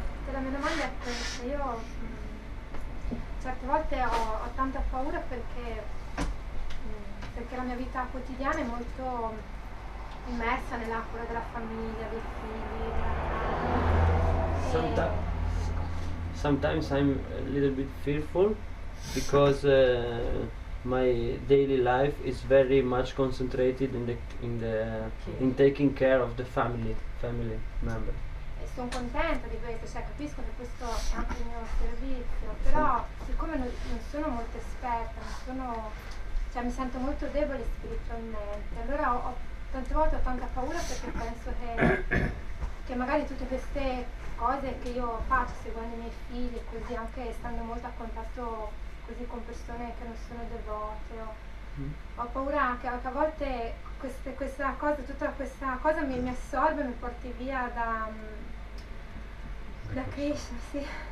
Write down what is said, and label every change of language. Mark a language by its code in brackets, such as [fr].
[it] La mia domanda è questa, io certe volte ho tanta paura perché la mia vita quotidiana è molto immersa nella cura della famiglia, dei figli, della casa. [en] Sometimes I'm a little bit fearful because my daily life is very much concentrated in taking care of the family member. [it] E sono contenta di questo, cioè capisco che questo è anche il mio servizio, però siccome non sono molto esperta, mi sento molto debole spiritualmente, allora tante volte ho tanta paura perché penso che magari tutte queste cose che io faccio seguendo i miei figli, così anche stando molto a contatto così con persone che non sono devote, ho paura anche a volte questa cosa, tutta questa cosa mi assorbe, mi porti via da Krishna, sì.